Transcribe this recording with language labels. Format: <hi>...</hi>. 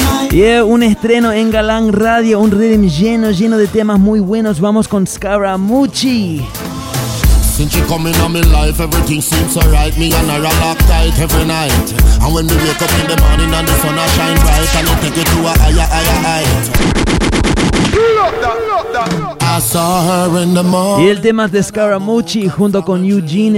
<es>Yeah, un estreno en Galán Radio, un rhythm lleno de temas muy buenos. Vamos con Scaramucci.</es> <en>Since you come into my life, everything seems alright. Me and her are locked tight every night. And when we wake up in the morning and the sun a shine bright, and I take you to a higher height.</en> <es>Y el tema es de Scaramucci junto con Eugene.</es>